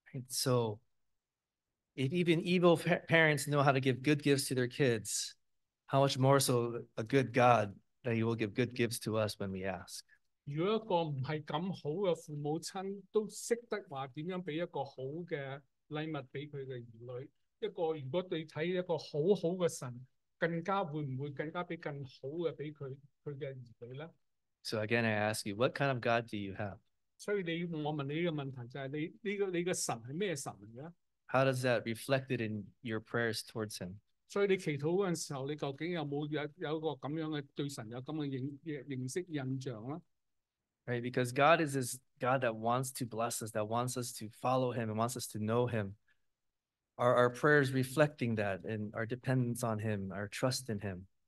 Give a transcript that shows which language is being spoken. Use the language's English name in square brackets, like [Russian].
[English] So, if even evil parents know how to give good gifts to their kids, how much more so a good God that He will give good gifts to us when we ask? [Cantonese] 如果一个不是咁好嘅父母亲，都识得话点样俾一个好嘅礼物俾佢嘅儿女。一个如果对睇一个好好嘅神，更加会唔会更加俾更好嘅俾佢嘅儿女咧？ [English] So again, I ask you, what kind of God do you have? [Cantonese] 所以你我问你嘅问题就系你呢个你嘅神系咩神嚟嘅？ [English] How does that reflect it in your prayers towards Him? [Cantonese] 所以你祈祷嗰阵时候，你究竟有冇有一个咁样嘅对神有咁嘅认识印象咧？ [English] Right, because God is this God that wants to bless us, that wants us to follow Him, and wants us to know Him. Are our prayers reflecting that and our dependence on Him, our trust in Him?